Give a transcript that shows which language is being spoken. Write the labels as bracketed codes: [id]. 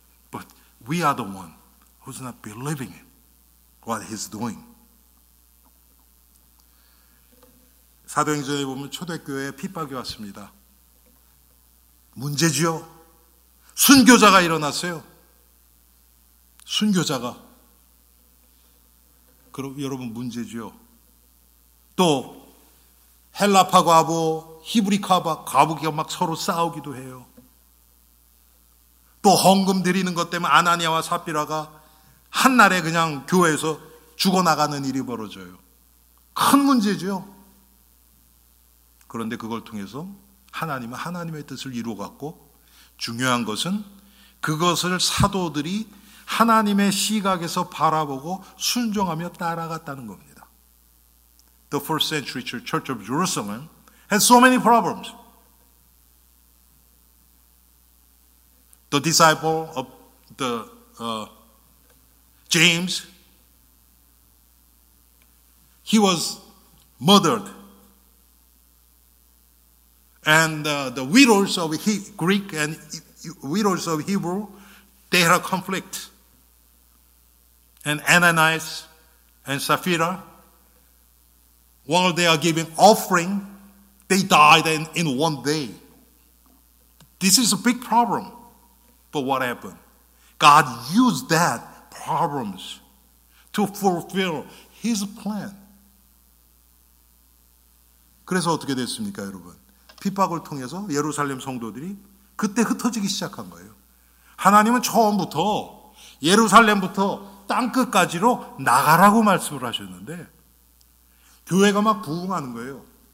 [en] But we are the one who's not believing it, what he's doing. [ko] 사도행전에 보면 초대교회에 핍박이 왔습니다. 문제지요. 순교자가 일어났어요. 순교자가. 그럼 여러분 문제지요. 또 헬라파 과부, 히브리 과부가 막 서로 싸우기도 해요. 또 헌금 드리는 것 때문에 아나니아와 삽비라가 한날에 그냥 교회에서 죽어나가는 일이 벌어져요. 큰 문제지요. 그런데 그걸 통해서 하나님은 하나님의 뜻을 이루어갔고 중요한 것은 그것을 사도들이 하나님의 시각에서 바라보고 순종하며 따라갔다는 겁니다. [en] The first century church of Jerusalem had so many problems. The disciple of the James, he was murdered. And the widows of Greek and widows of Hebrew, they had a conflict. And Ananias and Sapphira, while they are giving offering, they died in one day. This is a big problem. But what happened? God used that problems to fulfill his plan. [ko] 그래서 어떻게 됐습니까, 여러분? 핍박을 통해서 예루살렘 성도들이 그때 흩어지기 시작한 거예요. 하나님은 처음부터 예루살렘부터 땅끝까지로 나가라고 말씀을 하셨는데 교회가 막 부흥하는 거예요.